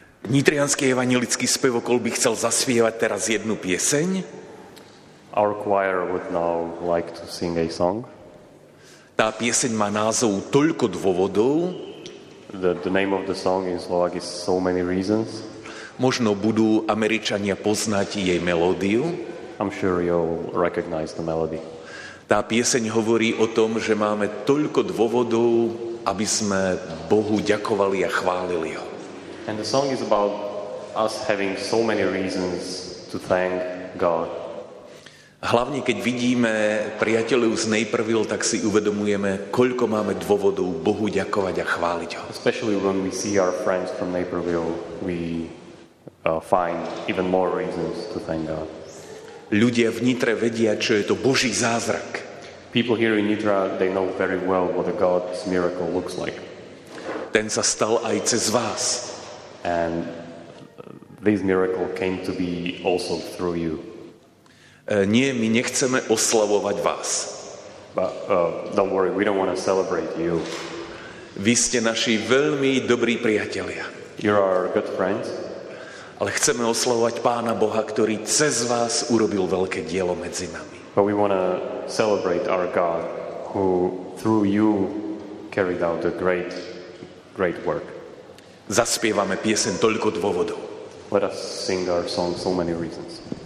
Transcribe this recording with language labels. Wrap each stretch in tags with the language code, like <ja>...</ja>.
<sk>Nitrianský evanjelický spevokol by chcel zaspievať teraz jednu pieseň.</sk> <en>Our choir would now like to sing a song.</en> <sk>Tá pieseň má názov Toľko dôvodov.</sk> <en>The name of the song in Slovak is So Many Reasons.</en> <sk>Možno budú Američania poznať jej melódiu.</sk> <en>I'm sure you'll recognize the melody.</en> <sk>Tá pieseň hovorí o tom, že máme toľko dôvodov, aby sme Bohu ďakovali a chválili ho.</sk> <en>And the song is about us having so many reasons to thank God.</en> <sk>Hlavne keď vidíme priateľov z Naperville, tak si uvedomujeme, koľko máme dôvodov Bohu ďakovať a chváliť ho.</sk> <en>Especially when we see our friends from Naperville, we find even more reasons to thank God.</en> <sk>Ľudia v Nitre vedia, čo je to Boží zázrak.</sk> <en>People here in Nitra, they know very well what a God's miracle looks like.</en> <sk>Ten sa stal aj cez vás.</sk> <en>And this miracle came to be also through you.</en> <sk>Nie, my nechceme oslavovať vás.</sk> <en>But don't worry, we don't want to celebrate you.</en> <sk>Vy ste naši veľmi dobrí priatelia.</sk> <en>You are good friends.</en> <sk>Ale chceme oslavovať Pána Boha, ktorý cez vás urobil veľké dielo medzi nami.</sk> <en>But we want to celebrate our God who through you carried out a great work.</en> <sk>Zaspievame pieseň Toľko dôvodov.</sk> <en>Let us sing our song So Many Reasons.</en>